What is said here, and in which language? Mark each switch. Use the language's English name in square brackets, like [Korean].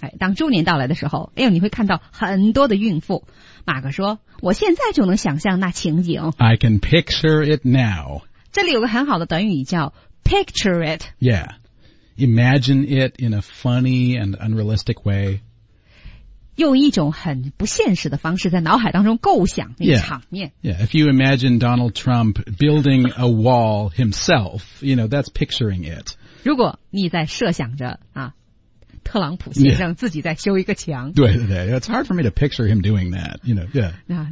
[Chinese] 哎、当猪年到来的时候、哎、呦你会看到很多的孕妇马克说我现在就能想象那情景 [English] I can picture it now [Chinese] 这里有个很好的短语叫 picture it [English] Yeah Imagine it in a funny and unrealistic way [Chinese] 用一种很不现实的方式在脑海当中构想那场面 [English] yeah. yeah If you imagine Donald Trump building a wall himself You know that's picturing it [Chinese] 如果你在设想着啊特朗普先生自己在修一个墙。对对对 [English] ,it's hard for me to picture him doing that, you know, yeah.